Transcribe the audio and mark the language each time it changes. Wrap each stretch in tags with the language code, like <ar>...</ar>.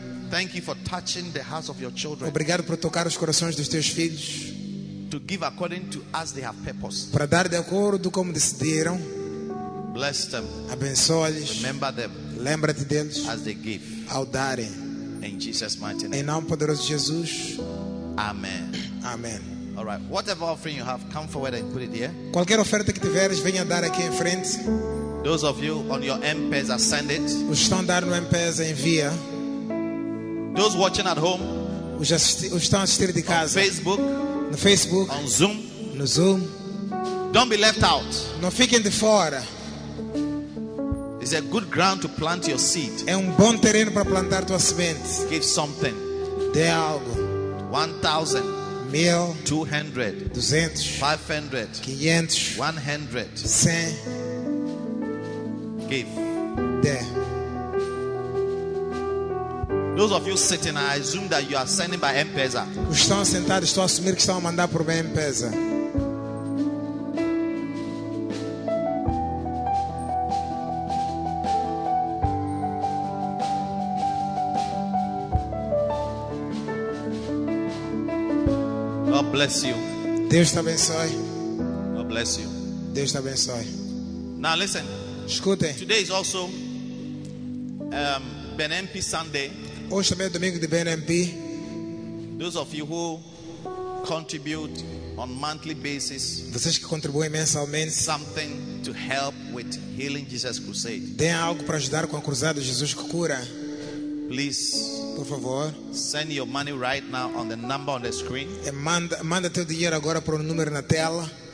<en>thank you for touching the hearts of your children.</en> <pt>Obrigado por tocar os corações dos teus filhos.</pt> <en>To give according to as they have purpose.</en> <pt>Para dar de acordo como decidiram.</pt> <en>Bless them.</en> <pt>Abençoa-lhes.</pt> <en>Remember them.</en> <pt>Lembra-te deles.</pt> <en>As they give.</en> <pt>Ao darem.</pt> <en>In Jesus' mighty name.</en> <pt>Em nome poderoso de Jesus.</pt> <en>Amen.</en> <pt>Amen.</pt> <en>All right. Whatever offering you have, come forward and put it here.</en> <pt>Qualquer oferta que tiveres, venha dar aqui em frente.</pt> <en>Those of you on your M-Pesa, send it.</en> <pt>Os que estão a dar no M-Pesa, envia.</pt> <en>Those watching at home,</en> <pt>os estão a assistir de casa,</pt> <en>Facebook,</en> <pt>no Facebook,</pt> <en>on Zoom,</en> <pt>no Zoom,</pt> <en>don't be left out.</en> <pt>Não fiquem de fora.</pt> <en>It's a good ground to plant your seed.</en> <pt>É bom terreno para plantar tua semente.</pt> <en>Give something.</en> <pt>Dê algo.</pt> <en>1,000.</en> <pt>1,000.</pt> <en>200.</en> <pt>200.</pt> <en>500.</en> <pt>500.</pt> <en>100.</en> <pt>100.</pt> <en>Give.</en> <pt>Dê.</pt> <en>Those of you sitting, I assume that you are sending by M-Pesa.</en> <pt>Os estão sentados, estou a assumir que estão a mandar por M-Pesa.</pt> <en>God bless you.</en> <pt>Deus te abençoe.</pt> <en>God bless you.</en> <pt>Deus te abençoe.</pt> <en>Now listen.</en> <pt>Escutem.</pt> <en>Today is also BNMP Sunday.</en> <pt>Hoje também é domingo de BNMP.</pt> <en>Those of you who contribute on monthly basis,</en> <pt>vocês que contribuem mensalmente,</pt> <en>something to help with healing Jesus crusade.</en> <pt>Dêem algo para ajudar com a cruzada Jesus que cura.</pt> <en>Please,</en> <pt>por favor,</pt> <en>send your money right now on the number on the screen.</en> <pt>E manda teu dinheiro agora para o número na tela.</pt>